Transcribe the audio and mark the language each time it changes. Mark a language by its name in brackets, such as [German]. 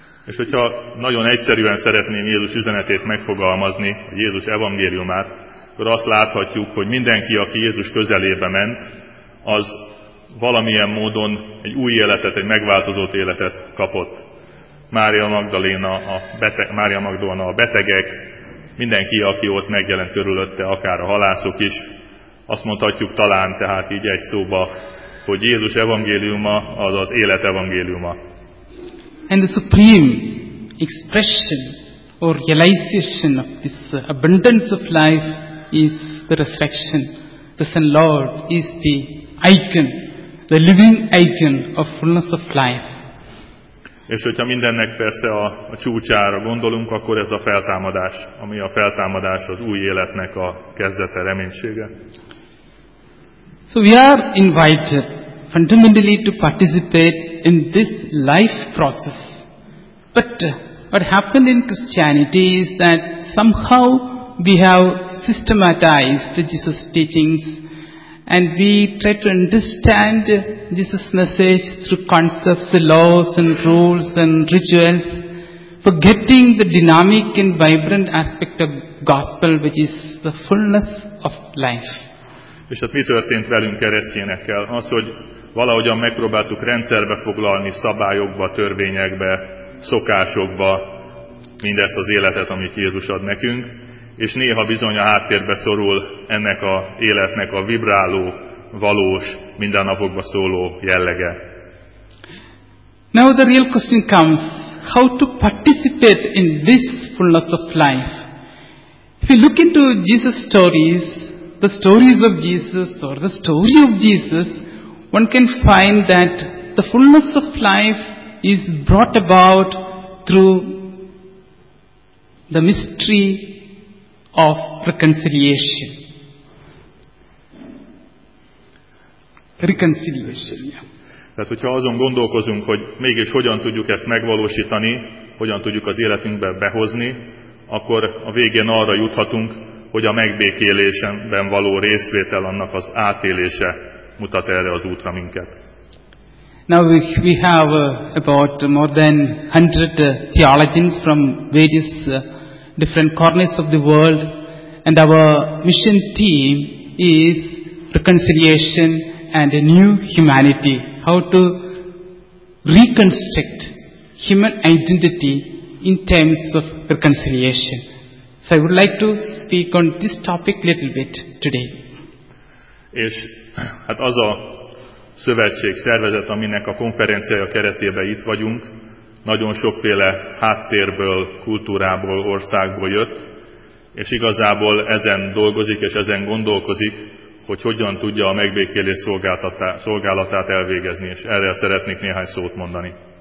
[Hungarian] És hogyha nagyon egyszerűen szeretném Jézus üzenetét megfogalmazni, Jézus evangéliumát, akkor azt láthatjuk, hogy mindenki, aki Jézus közelébe ment, az valamilyen módon egy új életet, egy megváltozott életet kapott. Mária Magdolna, a betegek, mindenki, aki ott megjelent körülötte, akár a halászok is. Azt mondhatjuk talán, tehát így egy szóba, hogy Jézus evangéliuma az az élet evangéliuma. [English] And the supreme expression or realization of this abundance of life is the resurrection. The Son Lord is the icon, the living icon of fullness of life. [Hungarian] És hogyha mindennek persze a csúcsára gondolunk, akkor ez a feltámadás, ami a feltámadás az új életnek a kezdete, reménysége. [English] So we are invited fundamentally to participate in this life process. But what happened in Christianity is that somehow we have systematized Jesus' teachings and we try to understand Jesus' message through concepts, laws and rules and rituals, forgetting the dynamic and vibrant aspect of gospel, which is the fullness of life. [Hungarian] És hát mi történt velünk keresztényekkel? Az, hogy valahogyan megpróbáltuk rendszerbe foglalni, szabályokba, törvényekbe, szokásokba mindezt az életet, amit Jézus ad nekünk, és néha bizony a háttérbe szorul ennek az életnek a vibráló, valós, mindennapokba szóló jellege. [English] Now the real question comes, how to participate in this fullness of life? If you look into Jesus' stories, the stories of Jesus or the story of Jesus, one can find that the fullness of life is brought about through the mystery of reconciliation. [Hungarian] Tehát, hogyha azon gondolkozunk, hogy mégis hogyan tudjuk ezt megvalósítani, hogyan tudjuk az életünkbe behozni, akkor a végén arra juthatunk, hogy a megbékélésben való részvétel, annak az átélése mutat erre az útra minket. [English] Now we have about more than 100 theologians from various different corners of the world, and our mission theme is reconciliation and a new humanity. How to reconstruct human identity in terms of reconciliation. So I would like to speak on this topic little bit today. [Hungarian] És hát az a szövetség, szervezet, aminek a konferenciája keretében itt vagyunk, nagyon sokféle háttérből, kultúrából, országból jött, és igazából ezen dolgozik és ezen gondolkozik, hogy hogyan tudja a megbékélés szolgálatát elvégezni, és erre szeretnék néhány szót mondani.